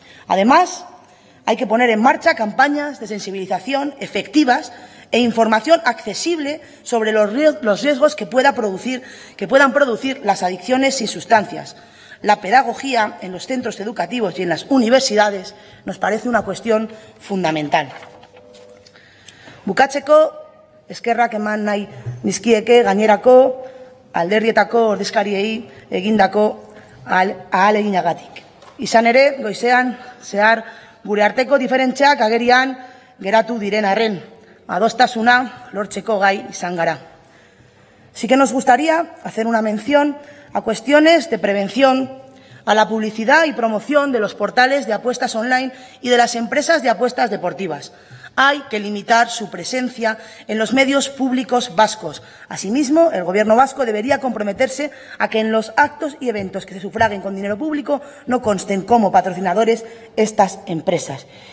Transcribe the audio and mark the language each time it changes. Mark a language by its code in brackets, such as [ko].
[es] Además, hay que poner en marcha campañas de sensibilización efectivas e información accesible sobre los riesgos que puedan producir las adicciones sin sustancias. La pedagogía en los centros educativos y en las universidades nos parece una cuestión fundamental. [eu] Bukatzeko, eskerrak eman nahi nizkieke gainerako alderdietako ordezkariei egindako ahaleginagatik. Izan ere, goizean zehar gure arteko diferentziak agerian geratu diren arren, adostasuna lortzeko gai izan gara. [es] Sí que nos gustaría hacer una mención a cuestiones de prevención, a la publicidad y promoción de los portales de apuestas online y de las empresas de apuestas deportivas. Hay que limitar su presencia en los medios públicos vascos. Asimismo, el Gobierno vasco debería comprometerse a que en los actos y eventos que se sufraguen con dinero público no consten como patrocinadores estas empresas.